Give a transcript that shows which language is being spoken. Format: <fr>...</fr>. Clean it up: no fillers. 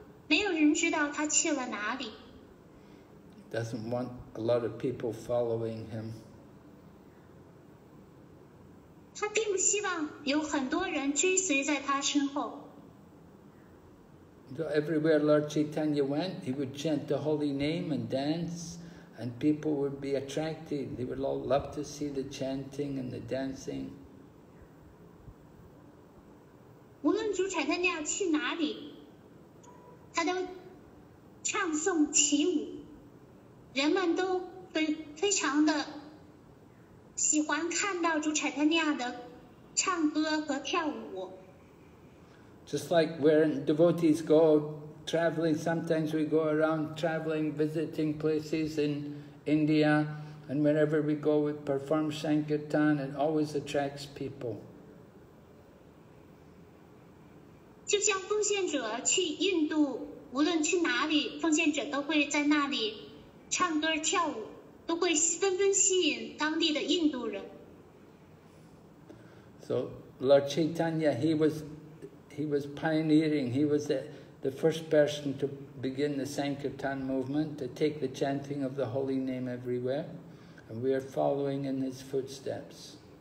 <zh>没有人知道他去了哪里。</zh> <en>Doesn't want a lot of people following him.</en> <zh>他并不希望有很多人追随在他身后。</zh> <en>So everywhere Lord Chaitanya went, he would chant the holy name and dance, and people would be attracted. They would all love to see the chanting and the dancing.</en> <zh>无论主产他娘去哪里，他都唱诵起舞，人们都非常的喜欢看到主产他娘的唱歌和跳舞。</zh> <en>Just like where devotees go traveling, sometimes we go around traveling, visiting places in India, and wherever we go, we perform Sankirtan, it always attracts people.</en> <zh>就像奉献者去印度，无论去哪里，奉献者都会在那里唱歌跳舞，都会纷纷吸引当地的印度人。</zh> <en>So Lord Chaitanya, he was pioneering, he was the first person to begin the Sankirtan movement, to take the chanting of the holy name everywhere, and we are following in his footsteps.</en>